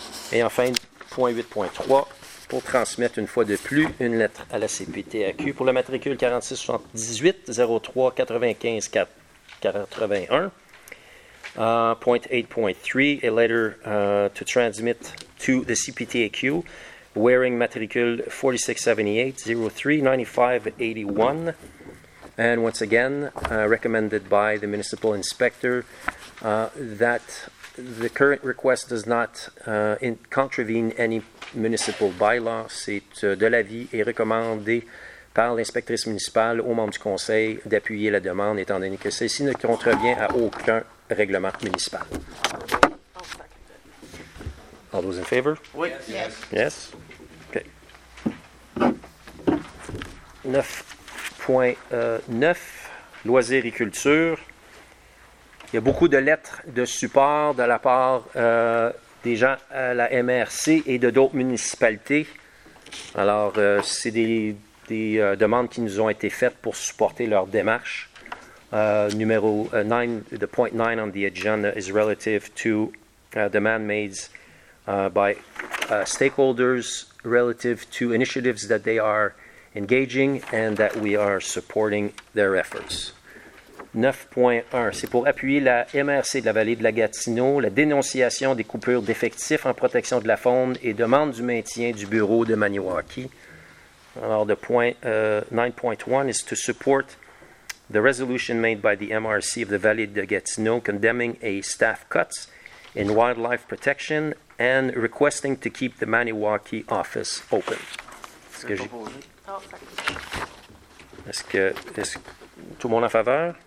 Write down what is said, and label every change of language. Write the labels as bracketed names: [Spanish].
[French] Et enfin, point 8.3, pour transmettre une fois de plus une lettre à la CPTAQ pour la matricule 46-78-03-95-81. [English] Point 8.3, a letter to transmit to the CPTAQ wearing matricule 4678-03-95-81, and once again recommended by the municipal inspector that the current request does not contravene any municipal bylaw. [French] C'est de l'avis et recommandé par l'inspectrice municipale aux membres du conseil d'appuyer la demande, étant donné que celle-ci ne contrevient à aucun règlement municipal. [English] All those in favor? Yes. [French] 9.9, loisirs et culture. Il y a beaucoup de lettres de support de la part des gens à la MRC et de d'autres municipalités. Alors, c'est des demandes qui nous ont été faites pour supporter leur démarche. Numéro 9, [English] the point 9 on the agenda is relative to demand made by stakeholders relative to initiatives that they are engaging and that we are supporting their efforts. [French] 9.1, c'est pour appuyer la MRC de la vallée de la Gatineau, la dénonciation des coupures d'effectifs en protection de la faune et demande du maintien du bureau de Maniwaki. [English] Alors, the point 9.1 is to support the resolution made by the MRC of the vallée de Gatineau condemning a staff cuts in wildlife protection and requesting to keep the Maniwaki office open. [French] Est-ce que tout le monde en faveur?